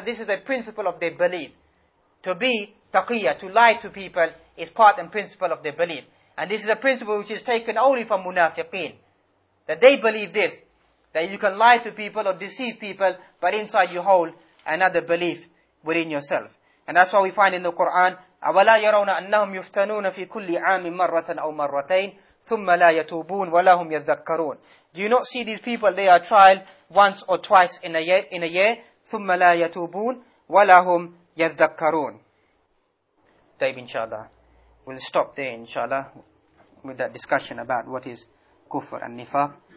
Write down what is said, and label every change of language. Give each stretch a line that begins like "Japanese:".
English: This is a principle of their belief. To be taqiyah, to lie to people, is part and principle of their belief. And this is a principle which is taken only from munafiqeen. That they believe this, that you can lie to people or deceive people, but inside you hold another belief within yourself. And that's why we find in the Quran,
Arabic: أَوَلَا يَرَوْنَ أَنَّهُمْ يُفْتَنُونَ فِي كُلِّ عَامٍ مَرَّةً أَوْ مَرَّتَيْنِ ثُمَّ لَا يَتُوبُونَ وَلَهُمْ يَذَّكَّرُونَ.
English: Do you not see these people? They are tried once or twice in a year.
Arabic: ثُمَّ لَا يَتُوبُونَ وَلَهُمْ يَذَّكَّرُونَ. Taib, inshallah.
English: We'll stop there, inshallah, with that discussion about what is kufr and nifaq.